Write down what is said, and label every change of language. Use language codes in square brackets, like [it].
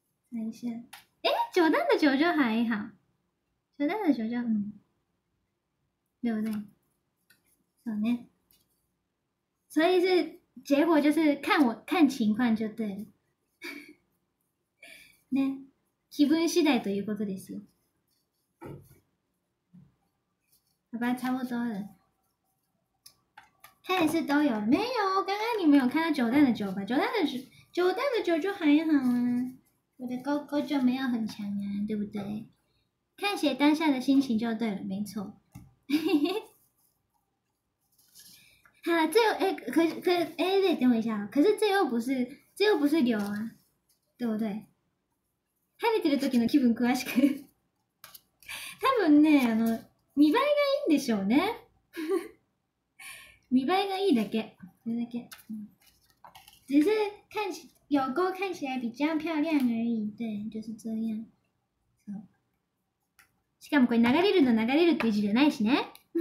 [zh] 看一下，哎，九蛋的九就还好，九蛋的九就嗯，对不对？好呢，所以是结果就是看情况就对了。 [ja] ね、気分次第ということですよ。 [zh] 好吧，差不多了。他也是都有，没有？刚刚你没有看到九蛋的九吧？九蛋的九就还好啊，我的勾勾就没有很强啊，对不对？看谁当下的心情就对了，没错。好，这又哎，可哎，对，等我一下，可是这又不是流啊，对不对？ [ja] 跳ねてる時の気分詳しく。多分ね、見栄えがいいんでしょうね。見栄えがいいだけ。それだけ。 [zh] 只是、有勾看起来比较漂亮而已。对、就是这样。 [ja] そう。しかもこれ流れるの流れるって字じゃないしね。